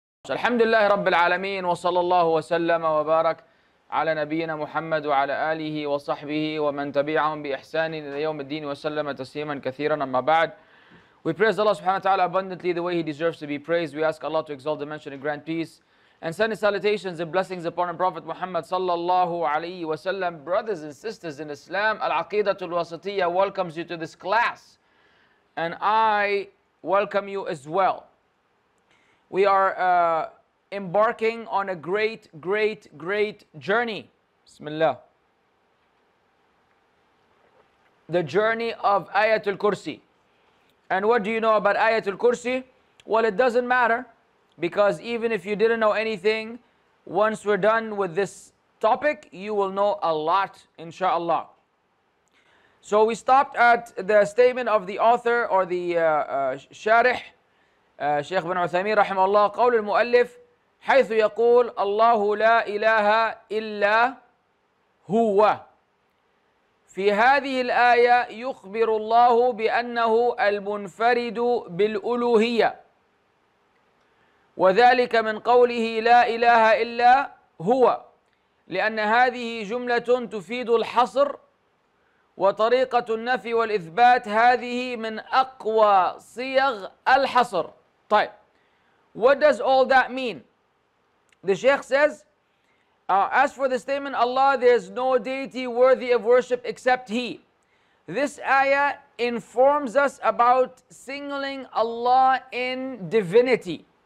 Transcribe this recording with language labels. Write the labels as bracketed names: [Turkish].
[Arabic] الحمد لله رب العالمين وصلى الله وسلم وبارك على نبينا محمد وعلى آله وصحبه ومن تبعهم بإحسان إلى يوم الدين وسلم تسليما كثيرا أما بعد. [English] We praise Allah subhanahu wa ta'ala abundantly the way He deserves to be praised. We ask Allah to exalt the mention and grant peace and send His salutations and blessings upon our Prophet Muhammad sallallahu alayhi wa sallam. Brothers and sisters in Islam, Al-Aqidatul Wasatiyah welcomes you to this class, and I welcome you as well. We are embarking on a great, great, great journey. Bismillah. The journey of Ayatul Kursi. And what do you know about Ayatul Kursi? Well, it doesn't matter, because even if you didn't know anything, once we're done with this topic, you will know a lot, inshallah. So we stopped at the statement of the author or the sharih, Shaykh bin Uthameen, rahimahullah, qawl al-mu'allif, [Arabic] حيث يقول الله لا إله إلا هو. في هذه الآية يخبر الله بأنه المنفرد بالألوهية وذلك من قوله لا إله إلا هو، لأن هذه جملة تفيد الحصر، وطريقة النفي والإثبات هذه من أقوى صيغ الحصر. [English] طيب، what does all that mean? The Shaykh says, as for the statement, Allah, there is no deity worthy of worship except He. This ayah informs us about singling Allah in divinity.